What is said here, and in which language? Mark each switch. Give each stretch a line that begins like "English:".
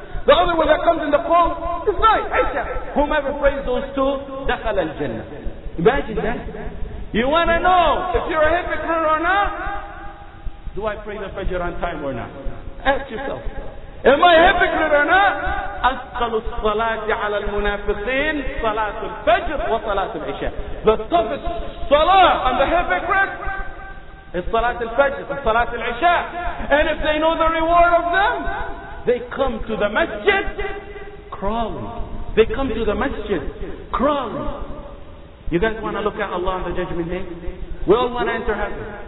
English: The other one that comes in the cold is night, Isha. Whomever prays those two,
Arabic: دَخَلَ الْجَنَّةِ.
English: Imagine that. You want to know if you're a hypocrite or not? Do I pray the Fajr on time or not? Ask yourself, am I a hypocrite or not?
Arabic: أثقل الصلاة على المنافقين صلاة الفجر وصلاة العشاء.
English: The toughest salah on the hypocrite is
Arabic: صلاة الفجر
English: and
Arabic: صلاة العشاء.
English: And if they know the reward of them, they come to the masjid crawling. They come to the masjid crawling. You guys want to look at Allah on the judgment day? We all want to enter heaven.